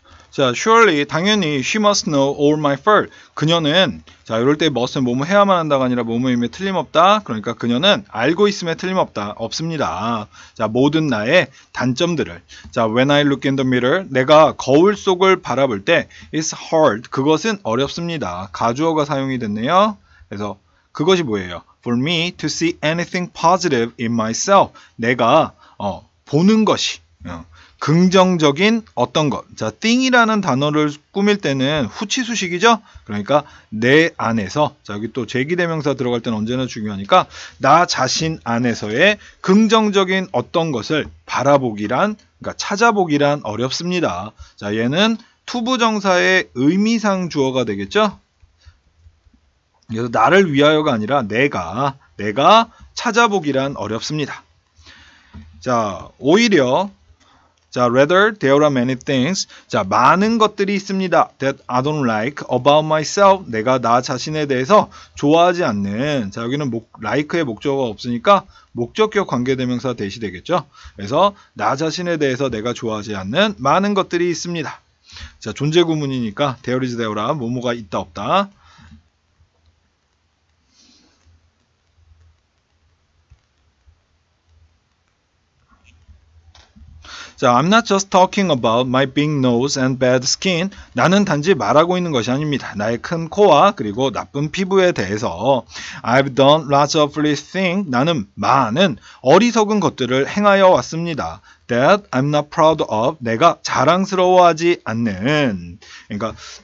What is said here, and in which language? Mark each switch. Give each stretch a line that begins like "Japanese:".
Korean: 자,
English: surely,
Korean: 당연히,
English: she must know all my fault.
Korean: 그녀는, 자, 이럴 때 must는 뭐뭐 해야만 한다가 아니라 뭐뭐임에 틀림없다. 그러니까 그녀는 알고 있음에 틀림없다. 없습니다. 자, 모든 나의 단점들을. 자,
English: when I look in the mirror,
Korean: 내가 거울 속을 바라볼 때,
English: it's hard.
Korean: 그것은 어렵습니다. 가주어가 사용이 됐네요. 그래서, 그것이 뭐예요?
English: For me to see anything positive in myself.
Korean: 내가, 보는 것이. 긍정적인 어떤 것. 자, thing이라는 단어를 꾸밀 때는 후치수식이죠. 그러니까 내 안에서, 자, 여기 또 제기대명사 들어갈 때는 언제나 중요하니까 나 자신 안에서의 긍정적인 어떤 것을 바라보기란, 그러니까 찾아보기란 어렵습니다. 자, 얘는 투부정사의 의미상 주어가 되겠죠. 그래서 나를 위하여가 아니라 내가 찾아보기란 어렵습니다. 자, 오히려 자,
English: rather, there are many things.
Korean: 자, 많은 것들이 있습니다.
English: That I don't like about myself.
Korean: 내가 나 자신에 대해서 좋아하지 않는. 자, 여기는 like의 목적어가 없으니까 목적격 관계대명사 대시 되겠죠. 그래서 나 자신에 대해서 내가 좋아하지 않는 많은 것들이 있습니다. 자, 존재 구문이니까
English: there is, there are,
Korean: 뭐뭐가 있다 없다. 자,
English: I'm not just talking about my big nose and bad skin.
Korean: 나는 단지 말하고 있는 것이 아닙니다. 나의 큰 코와 그리고 나쁜 피부에 대해서.
English: I've done lots of foolish things.
Korean: 나는 많은 어리석은 것들을 행하여 왔습니다.
English: That I'm not proud of.
Korean: 내가 자랑스러워하지 않는. 그러니까